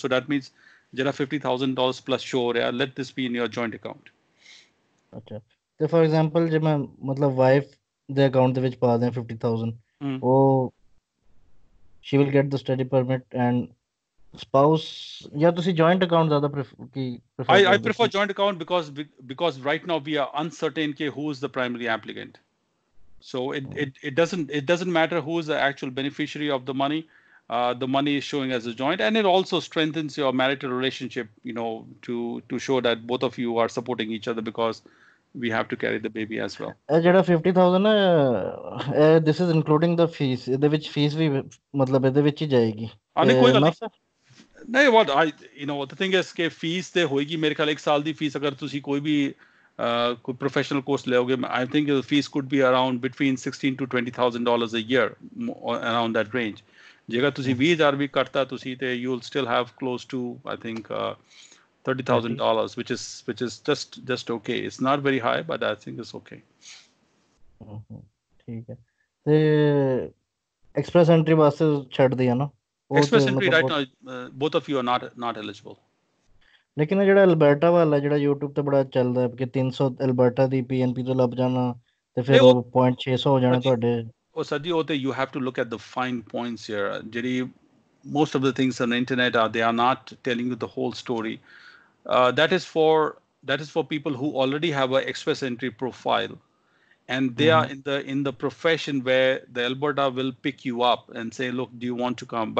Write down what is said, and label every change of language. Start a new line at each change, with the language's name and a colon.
Punjabi: So that means ਜਿਹੜਾ $50,000 plus show ਹੋ ਰਿਹਾ,
English: Let this be in your joint account.
Punjabi: ਅੱਛਾ ਤੇ ਫੋਰ ਐਗਜ਼ਾਮਪਲ ਜੇ ਮੈਂ ਮਤਲਬ ਵਾਈਫ ਦੇ ਅਕਾਊਂਟ ਦੇ ਵਿੱਚ ਪਾ ਦਿਆਂ 50,000, ਉਹ she will get the study permit and spouse, ਜਾਂ ਤੁਸੀਂ ਜੁਆਇੰਟ ਅਕਾਊਂਟ ਜ਼ਿਆਦਾ ਪ੍ਰੀਫਰ
English: I
Punjabi: ਕਰਦੇ
English: prefer
Punjabi: ਹੋ?
English: joint account because right now we are uncertain ke who is the primary applicant. So it doesn't matter who is the actual beneficiary of the money. The money is showing as a joint and it also strengthens your marital relationship, you know, to show that both of you are supporting each other because we have to carry the baby as well.
Punjabi: ਇਹ ਜਿਹੜਾ 50,000 ਹੈ, this is including the fees, ਇਹਦੇ ਵਿੱਚ fees ਵੀ ਮਤਲਬ ਇਹਦੇ ਵਿੱਚ ਹੀ ਜਾਏਗੀ, ਨਹੀਂ ਕੋਈ ਗੱਲ ਨਹੀਂ, ਇਹ ਨਾ ਸਰ? ਨਹੀਂ ਵਾਟ ਆਈ you know the thing is ਕਿ ਫੀਸ ਤੇ ਹੋਏਗੀ ਮੇਰੇ ਖਿਆਲ 1 ਸਾਲ ਦੀ ਫੀਸ, ਅਗਰ ਤੁਸੀਂ ਕੋਈ ਵੀ ਕੋਈ ਪ੍ਰੋਫੈਸ਼ਨਲ ਕੋਰਸ ਲਓਗੇ,
English: I think you fees could be around between $16,000 to $20,000 a year, around that range.
Punjabi: ਜੇਕਰ ਤੁਸੀਂ 20,000 ਵੀ ਕੱਟਤਾ ਤੁਸੀਂ, ਤੇ you will still have close to I think $30,000
English: which is just okay. It's not very high but I think it's okay.
Punjabi: ਠੀਕ ਹੈ, ਤੇ express entry ਵਾਸਤੇ ਛੱਡ ਦਿਆ ਨਾ?
English: Express entry right now, both of you are not eligible.
Punjabi: ਲੇਕਿਨ ਜਿਹੜਾ Alberta ਵਾਲਾ ਜਿਹੜਾ YouTube ਤੇ ਬੜਾ ਚੱਲਦਾ ਹੈ ਕਿ 300 ਅਲਬਰਟਾ ਦੀ PNP ਤੋਂ ਲੱਭ ਜਾਣਾ ਤੇ ਫਿਰ ਉਹ 0.600 ਹੋ ਜਾਣਾ ਤੁਹਾਡੇ,
English: ਉਹ ਸਜੀ ਉਹ ਤੇ you have to look at the fine points here. ਜਿਹੜੀ most of the things on the internet are they are not telling you the whole story. That is for people who already have a express entry profile and they are in the profession where the Alberta will pick you up and say, look, do you want to come?